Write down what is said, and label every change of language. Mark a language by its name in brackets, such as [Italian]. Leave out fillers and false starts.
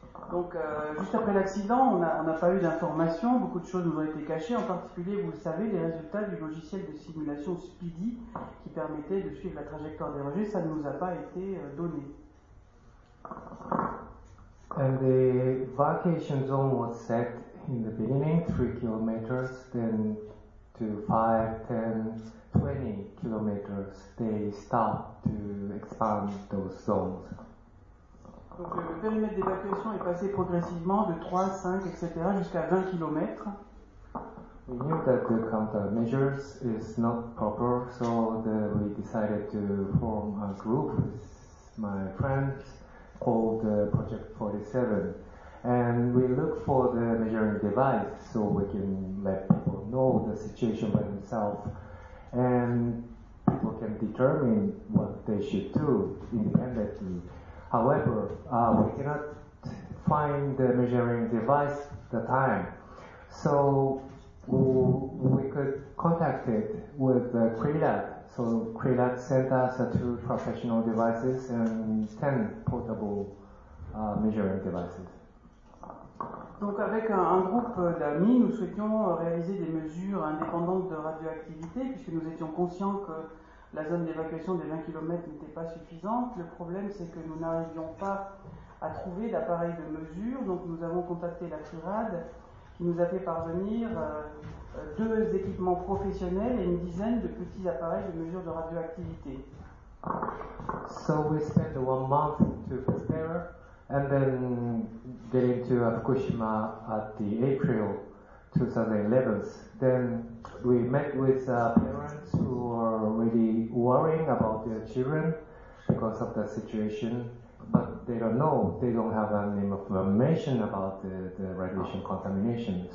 [French] Donc, juste après l'accident, on n'a pas eu d'informations, beaucoup de choses nous ont été cachées, en particulier, vous le savez, les résultats du logiciel de simulation Speedy qui permettait de suivre la trajectoire des rejets, ça ne nous a pas été donné. [English] And the vacation zone was set in the beginning, 3 kilometers, then to 5, 10, 20 kilometers, they stopped to expand those zones. [French] Donc le périmètre d'évacuation est passé progressivement de 3, 5, etc. jusqu'à 20 km. [English] We knew that the countermeasures is not proper, so we decided to form a group with my friends called Project 47. And we look for the measuring device so we can let people know the situation by themselves and people can determine what they should do independently. However, we cannot find the measuring device at the time. So we could contact it with the CRIRAD. So CRIRAD sent us 2 professional devices and 10 portable measuring devices. [French] Donc avec un groupe d'amis, nous souhaitions réaliser des mesures indépendantes de radioactivité puisque nous étions conscients que la zone d'évacuation des 20 km n'était pas suffisante. Le problème, c'est que nous n'arrivions pas à trouver d'appareil de mesure. Donc nous avons contacté la CRIRAD, qui nous a fait parvenir 2 équipements professionnels et 10 de petits appareils de mesure de radioactivité. [English] So we spent 1 month to prepare and then getting to Fukushima at the April 2011. Then we met with parents who were really worrying about their children because of the situation, but they don't know, they don't have any information about the radiation contamination.